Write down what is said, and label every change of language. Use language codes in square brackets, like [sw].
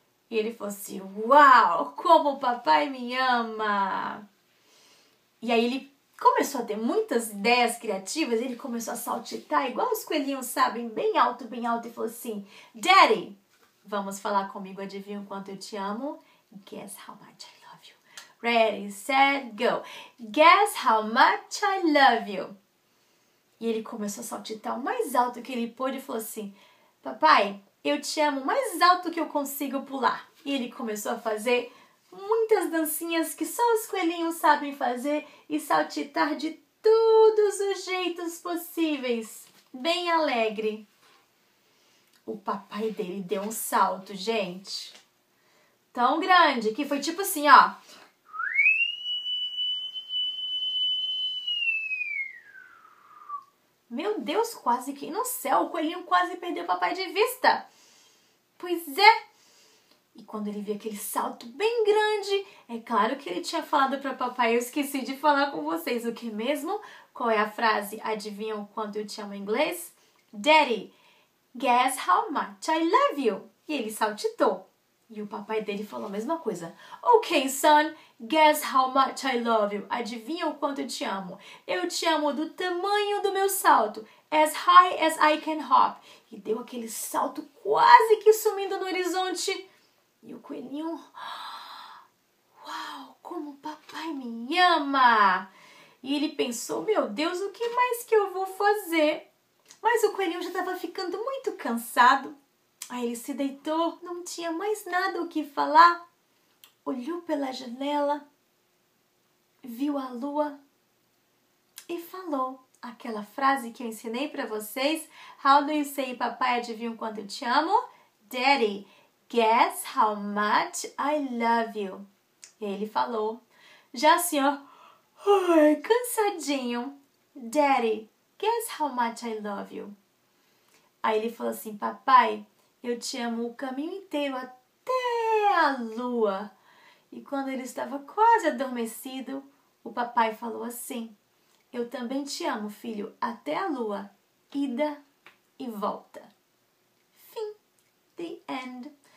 [pt] E ele falou assim, uau, como o papai me ama. E aí ele começou a ter muitas ideias criativas, ele começou a saltitar, igual os coelhinhos sabem, bem alto, e falou assim, Daddy, vamos falar comigo, adivinha o quanto eu te amo? [en] Guess how much I love you. Ready, set, go. Guess how much I love you. [pt] E ele começou a saltitar o mais alto que ele pôde e falou assim, papai, eu te amo mais alto que eu consigo pular. E ele começou a fazer muitas dancinhas que só os coelhinhos sabem fazer e saltitar de todos os jeitos possíveis, bem alegre. O papai dele deu um salto, gente, tão grande que foi tipo assim, ó. Meu Deus, quase que no céu, o coelhinho quase perdeu o papai de vista. Pois é. E quando ele viu aquele salto bem grande, é claro que ele tinha falado para o papai, eu esqueci de falar com vocês, o que mesmo? Qual é a frase? Adivinha o quanto eu te amo em inglês? [en] Daddy, guess how much I love you. [pt] E ele saltitou. E o papai dele falou a mesma coisa. [en] Ok, son, guess how much I love you. [pt] Adivinha o quanto eu te amo? Eu te amo do tamanho do meu salto. [en] As high as I can hop. [pt] E deu aquele salto quase que sumindo no horizonte. E o coelhinho, uau, como o papai me ama. E ele pensou, meu Deus, o que mais que eu vou fazer? Mas o coelhinho já estava ficando muito cansado. Aí ele se deitou, não tinha mais nada o que falar. Olhou pela janela, viu a lua e falou, aquela frase que eu ensinei para vocês. [en] How do you say [pt] papai, adivinha quanto eu te amo? [en] Daddy, guess how much I love you. [pt] E ele falou. Já o senhor, ai, cansadinho. [en] Daddy, guess how much I love you. [pt] Aí ele falou assim, papai, eu te amo o caminho inteiro até a lua. E quando ele estava quase adormecido, o papai falou assim, eu também te amo, filho, até a lua, ida e volta. Fim. [en] The end.